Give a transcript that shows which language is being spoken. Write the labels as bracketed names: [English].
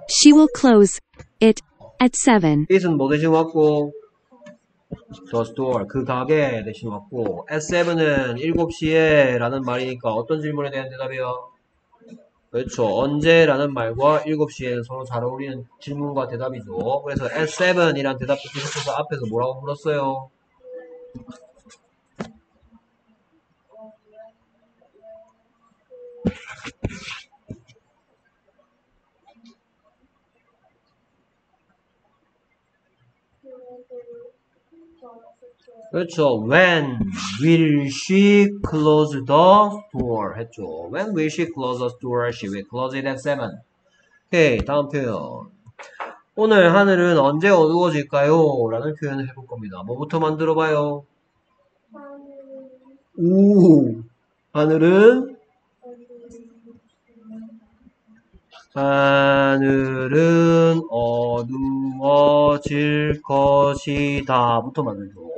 [English] She will close it at seven. [Korean] It은 뭐 대신 왔고, the store, 그 가게 대신 왔고, at 7은 7시에라는 말이니까 어떤 질문에 대한 대답이요? 그렇죠. 언제라는 말과 7시에는 서로 잘 어울리는 질문과 대답이죠. 그래서 at 7이란 대답도 계속해서 앞에서 뭐라고 물었어요? 그렇죠. [English] When will she close the door? [Korean] 했죠. [English] When will she close the door? She will close it at 7. [Korean] 오케이, 다음 표현. 오늘 하늘은 언제 어두워질까요? 라는 표현을 해볼 겁니다. 뭐부터 만들어 봐요? 오, 하늘은? 하늘은 어두워질 것이다 부터 만들죠.